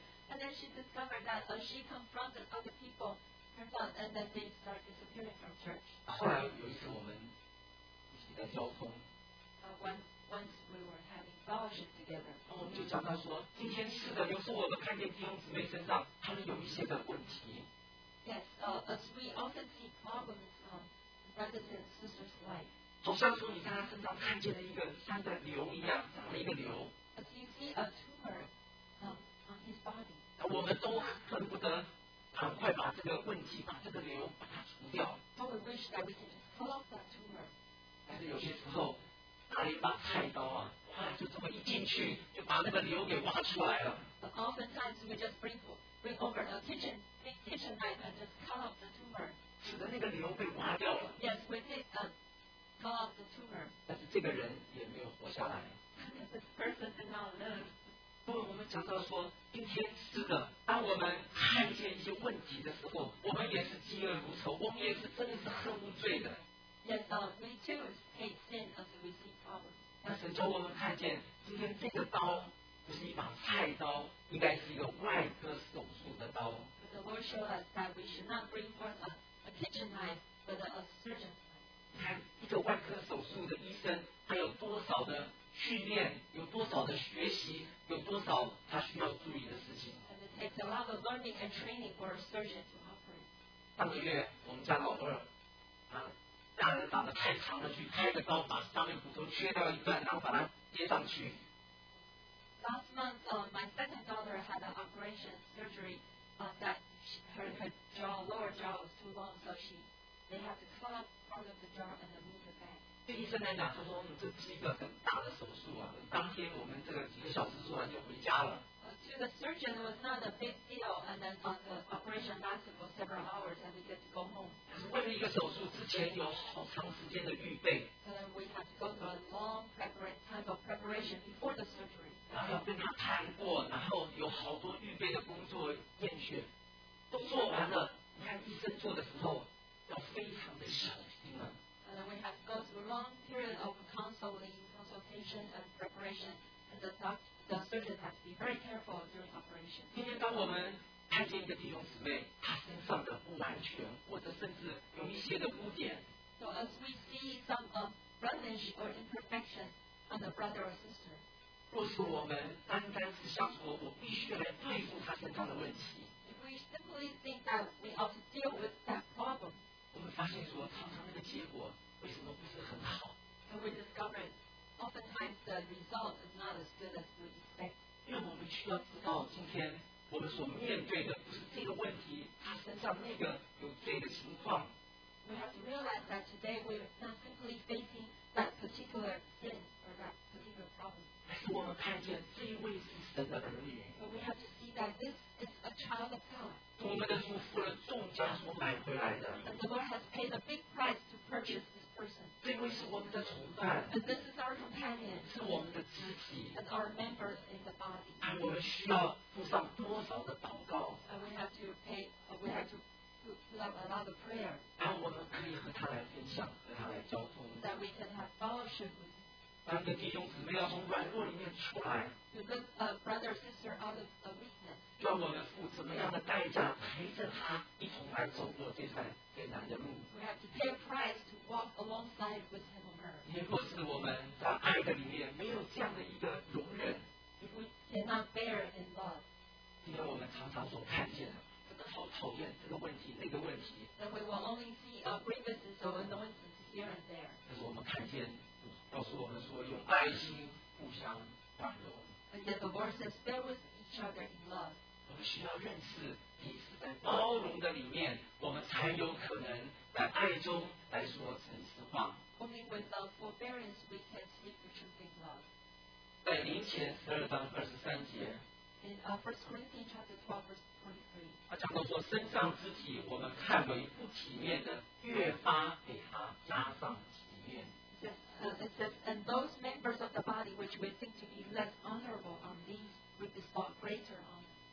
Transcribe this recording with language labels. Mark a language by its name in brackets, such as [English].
[English] And then she discovered that as she confronted other people, turns out, and then they start disappearing from church. [Chinese] 后来有一次我们一起在交通。 [English] Once we were having fellowship together. [Chinese] 然后我们就讲到说，今天是的，有时候我们看见弟兄姊妹身上他们有一些的问题。 [English] Yes, as we often see problems in brothers and sisters' life. [Chinese] 好像说你在他身上看见了一个像个瘤一样，长了一个瘤。 [English] As you see a tumor. On his body. [Chinese] 那我们都恨不得赶快把这个问题、把这个瘤把它除掉。 [English] So we wish that we can just cut off that tumor. [Chinese] 但是有些时候，拿了一把菜刀啊，哇，就这么一进去，就把那个瘤给挖出来了。 [English] But oftentimes we just bring over a kitchen knife and just cut off the tumor. [Chinese] 使得那个瘤被挖掉了。 [English] Yes, we did cut off the tumor. [Chinese] 但是这个人也没有活下来。 [English] This person did not live. [Chinese] 因为我们讲到说今天是的当我们看见一些问题的时候我们也是嫉恶如仇我们也是真的是恨罪的 [English] Yes, we too hate sin as we see problems [Chinese] 那神叫我们看见今天这个刀不是一把菜刀，应该是一个外科手术的刀。 [English] But the Lord showed us that we should not bring forth a kitchen knife, but a surgeon's knife. [Chinese] 看一个外科手术的医生，他有多少的训练，有多少的学习，有多少他需要注意的事情。 [English] And it takes a lot of learning and training for a surgeon to operate. [Chinese] 上个月我们家老二，大人打得太长了，去开的刀把上面骨头切掉一段，然后把它接上去。 [English] Last month, my second daughter had an operation surgery that she, her jaw, lower jaw was too long, so she, they had to cut up part of the jaw and then move it back. [Chinese] 对医生来讲，他说我们这是一个很大的手术啊，当天我们这个几个小时做完就回家了。 [English] To the surgeon, it was not a big deal, and then on the operation lasted for several hours, and we get to go home. [Chinese] 可是为了一个手术之前有好长时间的预备。 [English] And then we had to go through a long time of preparation before the surgery. [Chinese] 然后要跟他谈过，然后有好多预备的工作验血都做完了。你看医生做的时候要非常的小心啊。 [English] And then we have gone through a long period of consultation and preparation, and the doctor, the surgeon has to be very careful during operation. [Chinese] 今天当我们看见一个弟兄姊妹，他身上的不完全，或者甚至有一些的污点。 [English] So as we see some of blemish or imperfection on the brother or sister. [Chinese] 若是我们单单是想说，我必须来对付他身上的问题。 [English] If we simply think that we ought to deal with that problem, [Chinese] 我们发现说，常常那个结果为什么不是很好 [English] ？And we discover oftentimes the result is not as good as we expect. [Chinese] 因为我们需要知道，今天我们所面对的不是这个问题，他身上那个有罪的情况。 [English] We have to realize that today we are not simply facing that particular sin or that particular problem. [Chinese] 还是我们看见这一位是神的儿女。 [English] But we have to see that this is a child of God. [Chinese] 我们的父付了重价所买回来的。 [English] And the Lord has paid a big price to purchase this person. [Chinese] 这位是我们的同伴。 [English] And this is our companion. [Chinese] 是我们的肢体。 [English] And our member in the body. [Chinese] 而我们需要付上多少的祷告。 [English] And we have to pay, we have to put up a lot of prayer. [Chinese] 而我们可以和他来分享，和他来交通。 [English] That we can have fellowship with. [Chinese] 当一个弟兄姊妹要从软弱里面出来，叫我们付怎么样的代价陪着他一同来走过这段艰难的路。 [English] We have to pay a price to walk alongside with him or her. [Chinese] 如果是我们在爱的里面没有这样的一个容忍， [English] If we cannot bear in love, [Chinese] 今天我们常常所看见的，真的好讨厌这个问题那个问题。 [English] Then we will only see grievances or annoyances here and there. [Chinese] 但是我们看见。告诉我们说，用爱心互相宽容。 [English] And yet the Lord says, bear with each other in love. [Chinese] 我们需要认识彼此在包容的里面，我们才有可能在爱中来说诚实话。 [English] Only with the forbearance we can speak the truth in love. [Chinese] 在林前十二章二十三节。 [English] In First Corinthians chapter 12 verse 23. [Chinese] 他讲到说，身上肢体我们看为不体面的，越发给他加上体面。 [English] It says, and those members of the body which we think to be less honorable are these we bestow greater honor.